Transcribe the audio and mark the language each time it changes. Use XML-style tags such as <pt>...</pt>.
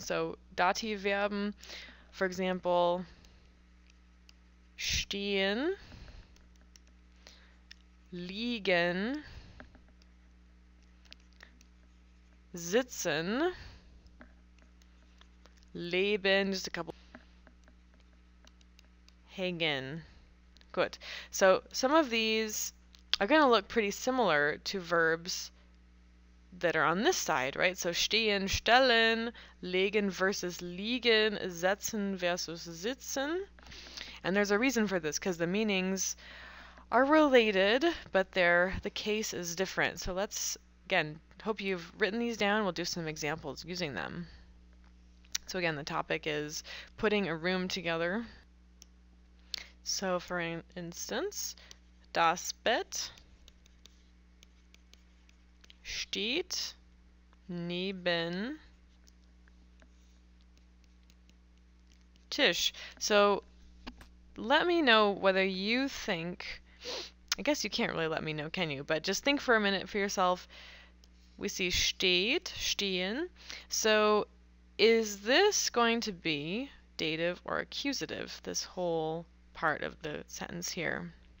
<en>So Dativverben, for example, stehen, liegen, sitzen, leben, just a couple, hängen. Good. So some of these are going to look pretty similar to verbs that are on this side, right?</en> <de>So stehen, stellen, legen versus liegen, setzen versus sitzen.</de> <en>And there's a reason for this, because the meanings are related, but the case is different. So let's, again, hope you've written these down. We'll do some examples using them. So again, the topic is putting a room together.</en> <de>So for instance, das Bett steht neben Tisch.</de> <en>So let me know whether you think, I guess you can't really let me know, can you? But just think for a minute for yourself. We see steht, stehen. So is this going to be dative or accusative, this whole part of the sentence here?</en>